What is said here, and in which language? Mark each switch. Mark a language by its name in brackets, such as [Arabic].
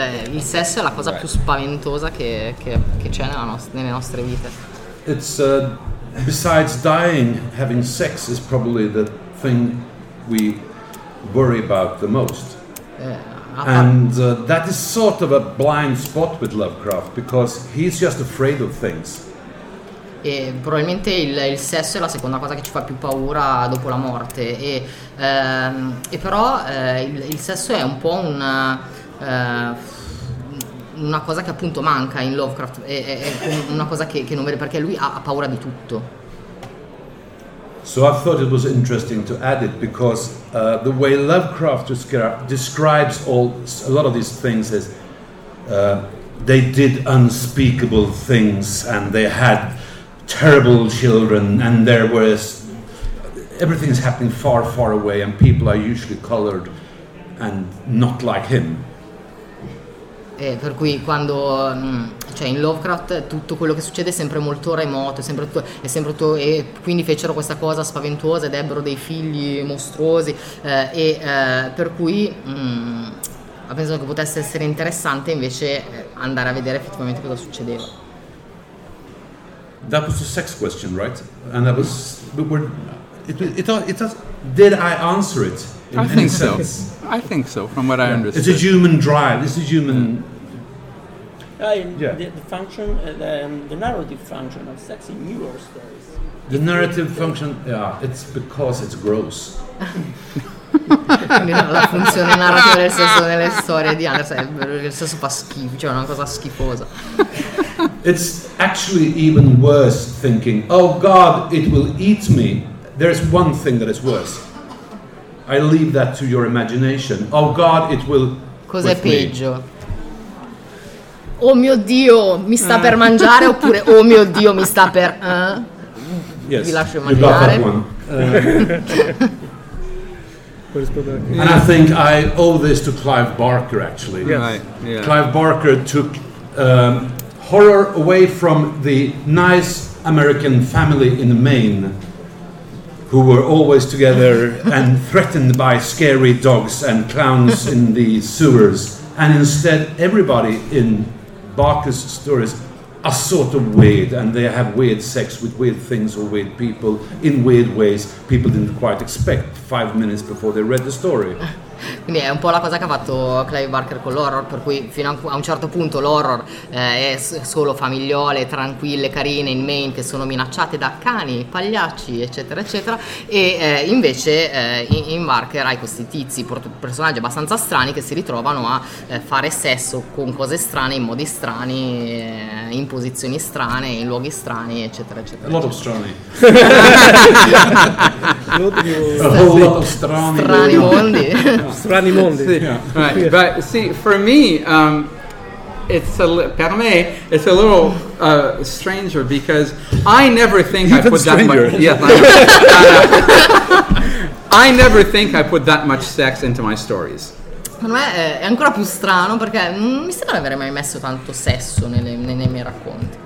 [Italian] il sesso è la cosa più spaventosa che c'è nelle nostre vite. [English] It's besides dying, having sex is probably the thing we worry about the most. That is sort of a blind spot with Lovecraft, because he's just afraid of things. [Italian] E probabilmente il sesso è la seconda cosa che ci fa più paura dopo la morte. E però il sesso è un po' una cosa che appunto manca in Lovecraft, è una cosa che non vede, perché lui ha paura di tutto. [English] So I thought it was interesting to add it because the way Lovecraft describes a lot of these things is they did unspeakable things and they had terrible children and there was everything is happening far, far away and people are usually colored and not like him. [Italian] Per cui quando cioè in Lovecraft tutto quello che succede è sempre molto remoto, è sempre tutto, e quindi fecero questa cosa spaventosa ed ebbero dei figli mostruosi, per cui ho pensato che potesse essere interessante invece andare a vedere effettivamente cosa succedeva. [English] That was the sex question, right? And that was did I answer it? I think so. From what I understand, it's a human drive. This is human. The function, the narrative function of sex in newer stories. The narrative function, yeah, it's because it's gross. [Italian] La funzione narrativa del sesso nelle storie di Anderson, il sesso fa schifo, cioè una cosa schifosa. [English] It's actually even worse thinking, oh God, it will eat me. There's one thing that is worse. I leave that to your imagination. Oh God, it will. [Italian] Cos'è peggio? Oh mio Dio, mi sta per mangiare, oppure oh mio Dio, mi sta per. [English] Yes. [Italian] Vi lascio immaginare. [English] And I think I owe this to Clive Barker, actually. Yes. Right. Yeah. Clive Barker took horror away from the nice American family in Maine, who were always together and threatened by scary dogs and clowns in the sewers. And instead, everybody in Barker's stories are sort of weird, and they have weird sex with weird things or weird people in weird ways people didn't quite expect 5 minutes before they read the story. [Italian] Quindi è un po' la cosa che ha fatto Clive Barker con l'horror, per cui fino a un certo punto l'horror è solo famigliole, tranquille, carine in Maine che sono minacciate da cani, pagliacci, eccetera, eccetera, e invece in Barker hai questi tizi, personaggi abbastanza strani che si ritrovano a fare sesso con cose strane, in modi strani, in posizioni strane, in luoghi strani, eccetera, eccetera. [English] A lot of strani. A whole lot of strani. [Italian] Strani mondi. Strani mondi. [English] See, yeah. Right. But see, for me, [Italian] per me, [English] it's a little stranger because I never think even I put stranger. That much. Yeah, I never think I put that much sex into my stories. [Italian] Per me è ancora più strano perché non mi sembra di aver mai messo tanto sesso nei miei racconti.